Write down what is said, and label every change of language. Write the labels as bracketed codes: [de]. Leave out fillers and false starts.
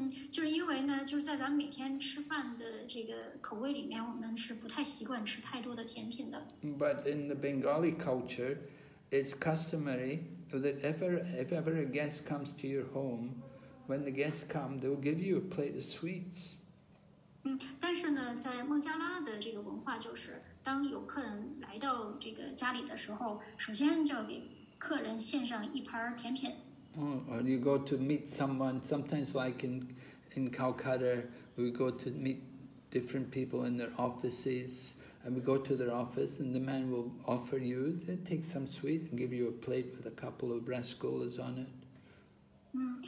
[zh] 就是因为呢，就是在咱们每天吃饭的这个口味里面，我们是不太习惯吃太多的甜品的。 [en] But in the Bengali culture, it's customary that if ever a guest comes to your home, when the guests come, they will give you a plate of sweets. [zh] 但是呢，在孟加拉的这个文化，就是当有客人来到这个家里的时候，首先就要给客人献上一盘甜品。 [en] Or you go to meet someone, sometimes like in. In Calcutta, we go to meet different people in their offices, and we go to their office, and the man will offer you, they take some sweet and give you a plate with a couple of rasgullas on it.